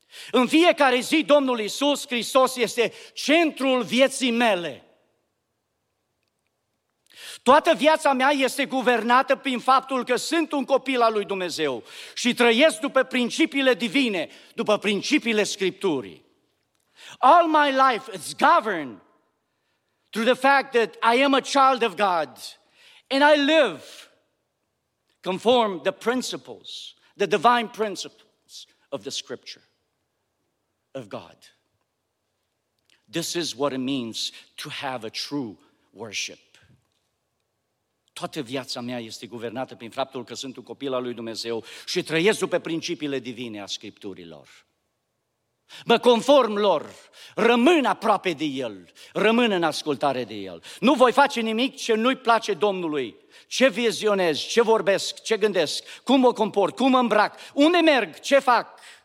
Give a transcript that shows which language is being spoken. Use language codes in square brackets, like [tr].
[ro] În fiecare zi, Domnul Iisus Hristos este centrul vieții mele. Toată viața mea este guvernată prin faptul că sunt un copil al lui Dumnezeu și trăiesc după principiile divine, după principiile Scripturii. [en] All my life is governed through the fact that I am a child of God and I live conform the principles, the divine principles of the Scripture of God. This is what it means to have a true worship. [ro] Toată viața mea este guvernată prin faptul că sunt un copil al lui Dumnezeu și trăiesc după principiile divine a Scripturilor. Mă conform lor, rămân aproape de El, rămân în ascultare de El. Nu voi face nimic ce nu-i place Domnului. Ce vizionez, ce vorbesc, ce gândesc, cum mă comport, cum mă îmbrac, unde merg, ce fac.